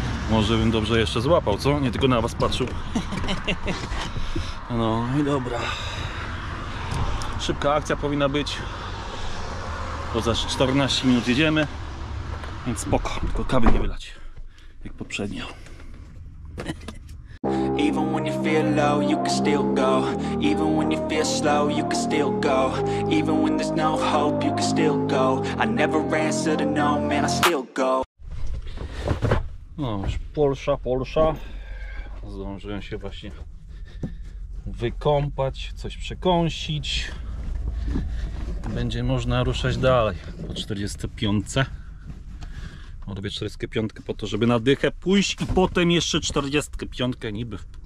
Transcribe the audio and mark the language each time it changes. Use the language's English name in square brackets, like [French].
[Polish] Może bym dobrze jeszcze złapał, co? Nie tylko na was patrzył. No i dobra. Szybka akcja powinna być. Bo za 14 minut jedziemy. Więc spoko, tylko kawy nie wylać. Jak poprzednio. [English] Even when you feel low, you can still go. Even when you feel slow, you can still go. Even when there's no hope, you can still go. I never answer to no, man, I still go. [Polish] No już Polsza. Zdążyłem się właśnie wykąpać, coś przekąsić. Będzie można ruszać dalej po 45. Odbię 45 po to, żeby na dychę pójść i potem jeszcze 45 niby